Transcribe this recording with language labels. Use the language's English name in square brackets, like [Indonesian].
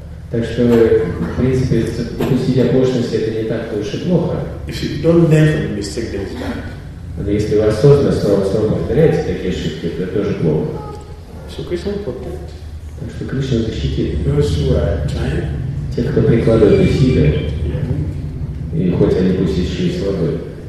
[Russian] Так что, в принципе, допустить оплошность — это не так-то уж и плохо. [English] If you don't learn from the mistake, then it's bad. [Russian] Но если вы осознанно снова повторяете такие ошибки, это тоже плохо. [English] So Krishna protect. [Russian] Так что Кришна защитит. [English] Those who are trying. [Russian] Те, кто прикладывает усилия, и хоть они пусть еще и слабы.